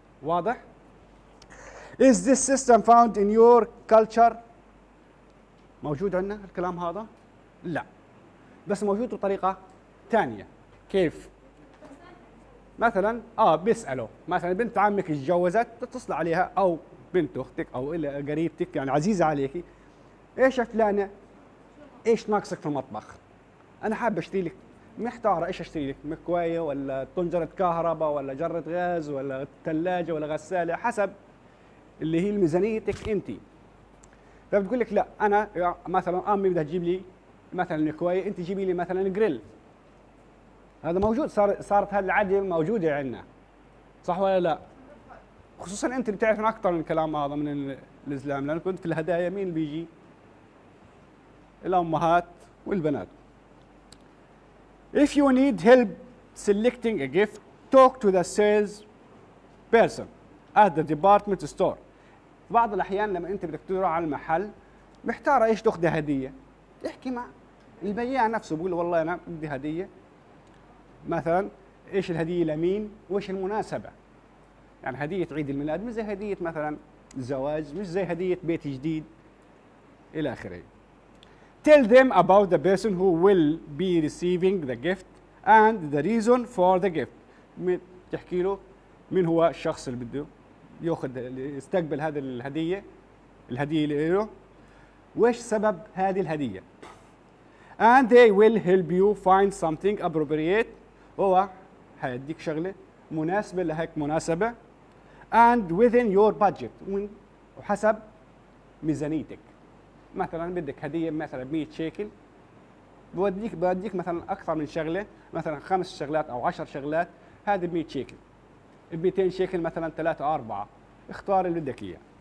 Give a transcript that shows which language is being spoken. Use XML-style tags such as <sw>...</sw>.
<ar>واضح؟</ar> <en>Is this system found in your culture?</en> <ar>موجود عندنا الكلام هذا؟ لا، بس موجود بطريقة تانية. كيف؟ مثلا بيسأله مثلا بنت عمك اتجوزت، تتصل عليها او بنت اختك او الى قريبتك يعني عزيزة عليك، ايش يا فلانة ايش ناقصك في المطبخ؟ انا حاب اشتري لك محتاره ايش اشتري لك، مكوايه ولا طنجره كهرباء ولا جره غاز ولا ثلاجه ولا غساله، حسب اللي هي ميزانيتك انت. فبتقول لك لا انا مثلا امي بدها تجيب لي مثلا مكوايه، انت جيبي لي مثلا جريل. هذا موجود، صارت هذه العاده موجوده عندنا، صح ولا لا؟ خصوصا انت بتعرف اكثر من الكلام هذا من الاسلام، لان كنت في الهدايا مين بيجي؟ الامهات والبنات.</ar> <en>If you need help selecting a gift, talk to the sales person at the department store.</en> <ar>بعض الأحيان لما أنت بدك تروح على المحل محتارة إيش تأخذ هدية، احكي مع البياع نفسه، بقول والله أنا بدي هدية، مثلاً إيش الهدية لمين وإيش المناسبة. يعني هدية عيد الميلاد مش زي هدية مثلاً زواج، مش زي هدية بيت جديد إلى آخره.</ar> <en>Tell them about the person who will be receiving the gift and the reason for the gift.</en> <ar>من تحكي له من هو الشخص اللي بده ياخذ يستقبل هذه الهديه، الهديه اللي له وايش سبب هذه الهديه.</ar> <en>And they will help you find something appropriate.</en> <ar>هو هيديك شغله مناسبه لهيك مناسبه.</ar> <en>And within your budget.</en> <ar>وحسب ميزانيتك. مثلا بدك هديه مثلا ب 100 شيكل، بوديك مثلا اكثر من شغله، مثلا خمس شغلات او 10 شغلات، هذه ب 100 شيكل، ب 200 شيكل مثلا ثلاثه اربعه، اختار اللي بدك اياه.</ar>